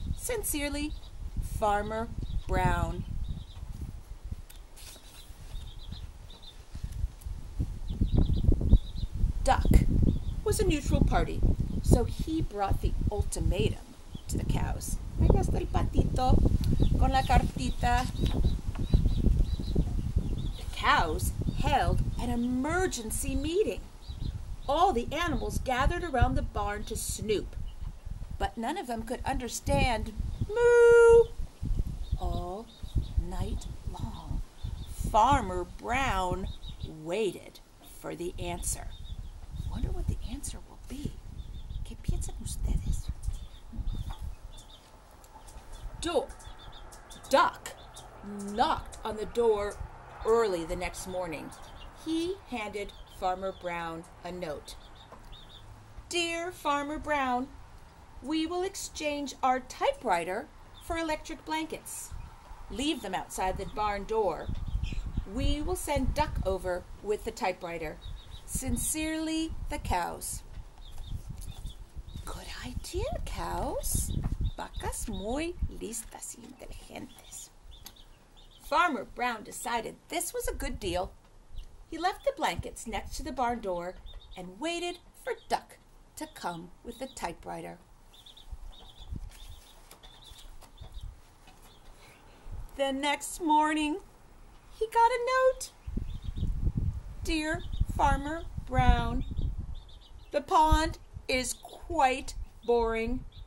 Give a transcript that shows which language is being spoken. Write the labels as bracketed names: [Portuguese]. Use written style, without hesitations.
[English] Sincerely, Farmer Brown. duck was a neutral party, so he brought the ultimatum to the cows. [Spanish] Ahí está el patito con la cartita. [English] The cows held an emergency meeting. All the animals gathered around the barn to snoop, but none of them could understand moo. All night long, Farmer Brown waited for the answer. I wonder what the answer will be. ¿Qué piensan ustedes? Duck knocked on the door early the next morning. He handed Farmer Brown a note. Dear Farmer Brown, we will exchange our typewriter for electric blankets. Leave them outside the barn door. We will send Duck over with the typewriter. Sincerely, the cows. Good idea, cows. [Spanish] Vacas muy listas y inteligentes. [English] Farmer Brown decided this was a good deal. He left the blankets next to the barn door and waited for Duck to come with the typewriter. The next morning, he got a note. Dear Farmer Brown, the pond is quite boring.